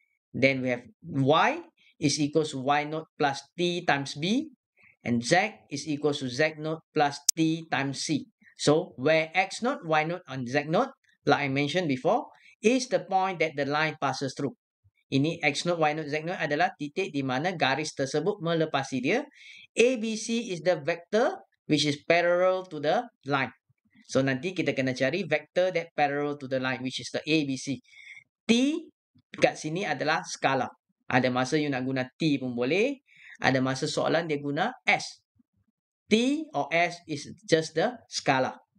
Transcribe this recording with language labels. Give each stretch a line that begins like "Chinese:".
English: Then we have y is equals to y node plus t times b. And z is equals to z node plus t times c. So where x node, y node, and z node, like I mentioned before, is the point that the line passes through.
Malay: Ini X node, Y node, Z node adalah titik di mana garis tersebut melepasi dia.
English: ABC is the vector which is parallel to the line. So
Malay: nanti kita kena cari
English: vector that parallel to the line, which is the ABC.
Malay: T kat sini adalah skala. Ada masa you nak guna T pun boleh. Ada masa soalan dia guna S.
English: T or S is just the skala.